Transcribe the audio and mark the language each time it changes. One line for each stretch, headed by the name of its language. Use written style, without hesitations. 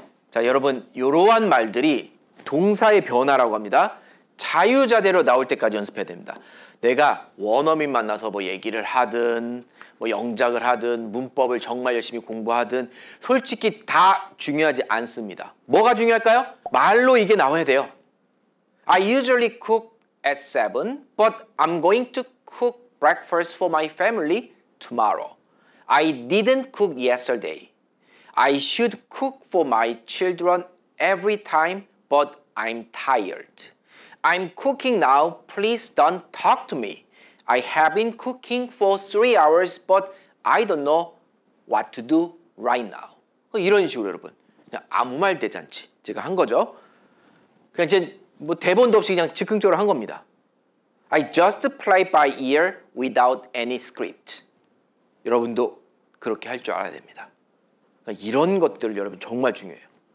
Korean: 자, 여러분, 이러한 말들이 동사의 변화라고 합니다. 자유자재로 나올 때까지 연습해야 됩니다. 내가 원어민 만나서 뭐 얘기를 하든 뭐 영작을 하든 문법을 정말 열심히 공부하든 솔직히 다 중요하지 않습니다. 뭐가 중요할까요? 말로 이게 나와야 돼요.
English: I usually cook at 7, but I'm going to cook breakfast for my family tomorrow. I didn't cook yesterday. I should cook for my children every time, but I'm tired. I'm cooking now. Please don't talk to me. I have been cooking for 3 hours, but I don't know what to do right now.
Korean: 이런 식으로 여러분. 그냥 아무 말 대잔치 제가 한 거죠. 그냥 제 뭐 대본도 없이 그냥 즉흥적으로 한 겁니다.
English: I just play by ear without any script.
Korean: 여러분도 그렇게 할 줄 알아야 됩니다. 이런 것들 여러분 정말 중요해요.